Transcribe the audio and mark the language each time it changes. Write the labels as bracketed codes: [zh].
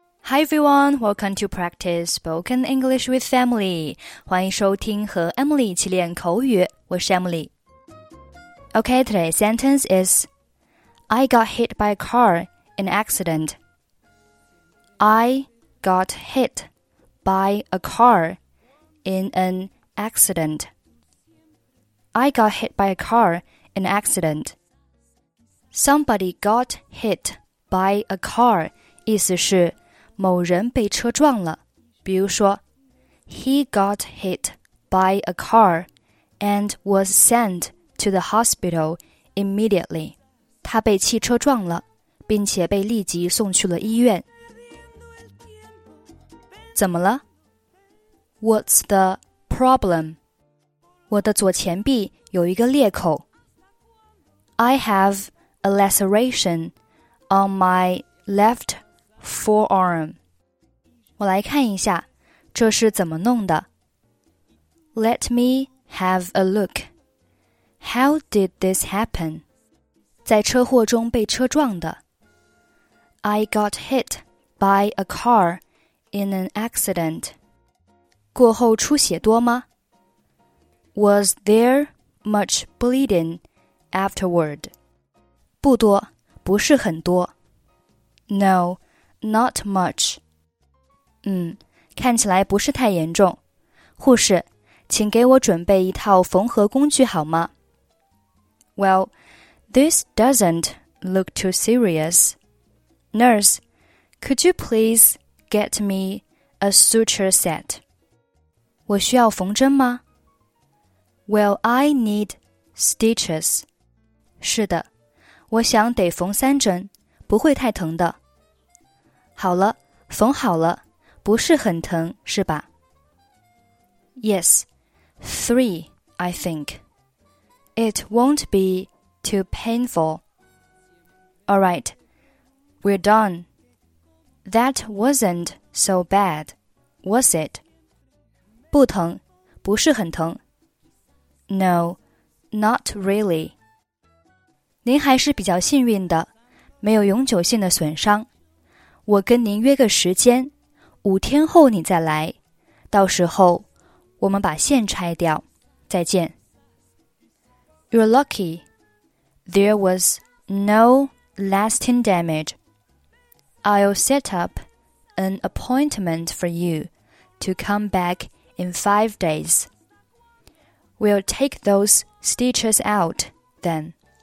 [en] Hi everyone, welcome to practice spoken English with Emily. [zh] 欢迎收听和 Emily 一起练口语，我是 Emily. [en] Okay, today's sentence is, I got hit by a car in an accident. I got hit by a car in an accident. I got hit by a car in an accident. Somebody got hit by a car, [zh] 意思是某人被车撞了，比如说 [en] He got hit by a car and was sent to the hospital immediately. [zh] 他被汽车撞了，并且被立即送去了医院。怎么了？ [en] What's the problem? [zh] 我的左前臂有一个裂口。 [en] I have a laceration on my left forearm. [zh] 我来看一下，这是怎么弄的。 [en] Let me have a look. How did this happen? [zh] 在车祸中被车撞的。 [en] I got hit by a car in an accident. [zh] 过后出血多吗？ [en] Was there much bleeding afterward? [zh] 不多，不是很多。 [en] No, not much. [zh] 看起来不是太严重。护士，请给我准备一套缝合工具好吗？ [en] Well, this doesn't look too serious. Nurse, could you please get me a suture set? [zh] 我需要缝针吗？ [en] Well, I need stitches. [zh] 是的，我想得缝三针，不会太疼的。好了，缝好了。不是很疼，是吧？ [en] Yes, three, I think. It won't be too painful. All right, we're done. That wasn't so bad, was it? [zh] 不疼，不是很疼。 [en] No, not really. [zh] 您还是比较幸运的，没有永久性的损伤。我跟您约个时间。五天后你再来，到时候我们把线拆掉，再见。 [en] You're lucky. There was no lasting damage. I'll set up an appointment for you to come back in 5 days. We'll take those stitches out then.